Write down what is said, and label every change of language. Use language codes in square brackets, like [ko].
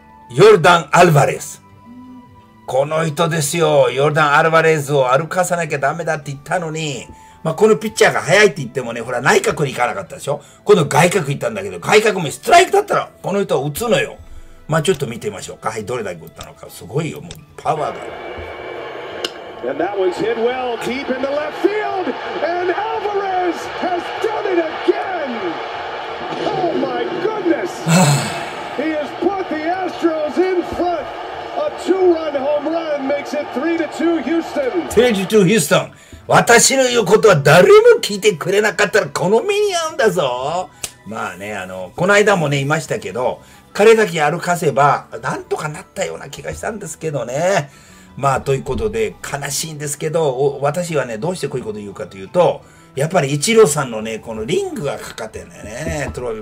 [ja] ヨルダン・アルバレス。この人ですよ、ヨルダン・アルバレスを歩かさなきゃダメだって言ったのに、まあ、このピッチャーが速いって言ってもね、ほら内角に行かなかったでしょ、今度外角行ったんだけど、外角もストライクだったらこの人は打つのよ。まあちょっと見てみましょうか。はい、どれだけ打ったのか。すごいよ、もうパワーが。 [en] And that was hit well deep in the left field, and Alvarez has done it again. Oh my goodness! He has put the Astros in front. A two-run home run makes it 3-2 Houston. 3-2 Houston. [ja] 私の言うことは誰も聞いてくれなかったらこの目に遭うんだぞ。まあね、この間もね、いましたけど、彼だけ歩かせばなんとかなったような気がしたんですけどね。まあということで悲しいんですけど、私はね、どうしてこういうことを言うかというと、やっぱりイチローさんのね、このリングがかかってんだよね、トロビー。